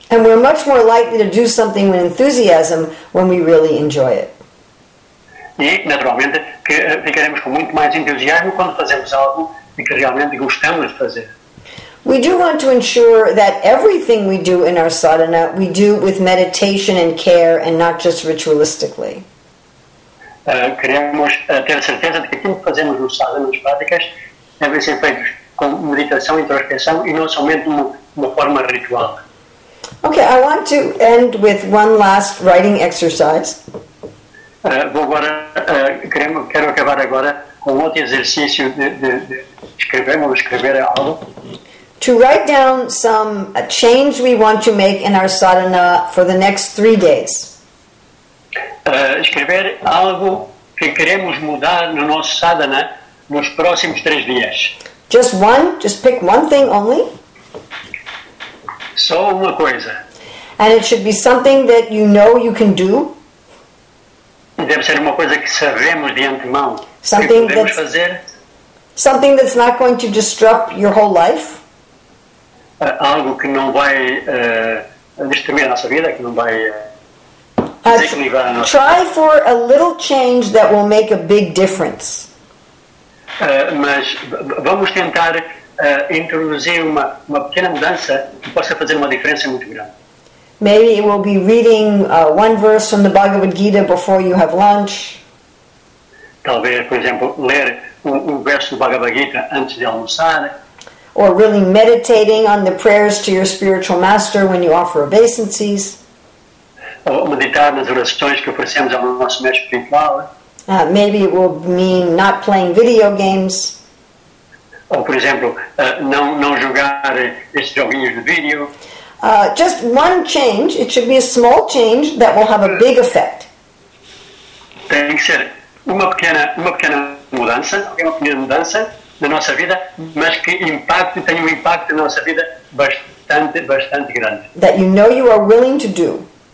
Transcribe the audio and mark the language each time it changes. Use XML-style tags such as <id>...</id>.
<en>And we're much more likely to do something with enthusiasm when we really enjoy it.</en> <pt>E, naturalmente, que ficaremos com muito mais entusiasmo quando fazemos algo que realmente gostamos de fazer.</pt> <en>We do want to ensure that everything we do in our sadhana, we do with meditation and care and not just ritualistically.</en> <pt>Queremos ter certeza de que aquilo que fazemos no sadhana, nas práticas, devem ser feitos com meditação e introspeção e não somente uma forma ritual.</pt> <en>Okay, I want to end with one last writing exercise.</en> <pt>Quero acabar agora com outro exercício de escrever algo.</pt> <en>To write down a change we want to make in our sadhana for the next 3 days.</en> <pt>Escrever algo que queremos mudar no nosso sadhana nos próximos 3 dias.</pt> <en>Just pick one thing only.</en> <pt>Só uma coisa.</pt> <en>And it should be something that you know you can do.</en> <pt>Deve ser uma coisa que sabemos de antemão que podemos fazer.</pt> <en>Something that's not going to disrupt your whole life.</en> <pt>Algo que não vai destruir a nossa vida, que não vai desequilibrar a nossa vida.</pt> <en>Try for a little change that will make a big difference.</en> <pt>Mas vamos tentar introduzir uma pequena mudança que possa fazer uma diferença muito grande.</pt> <en>Maybe it will be reading one verse from the Bhagavad Gita before you have lunch.</en> <pt>Talvez, por exemplo, ler um verso do Bhagavad Gita antes de almoçar.</pt> <en>Or really meditating on the prayers to your spiritual master when you offer obeisances.</en> <pt>Ou meditar nas orações que oferecemos ao nosso mestre espiritual.</pt> <en>Maybe it will mean not playing video games.</en> <pt>Ou, por exemplo, não jogar esses joguinhos de vídeo.</pt> <en>Just one change. It should be a small change that will have a big effect.</en> <pt>Tem que ser uma pequena mudança na nossa vida, mas que tenha um impacto na nossa vida bastante, bastante grande.</pt> <en>That you know you are willing to do.</en>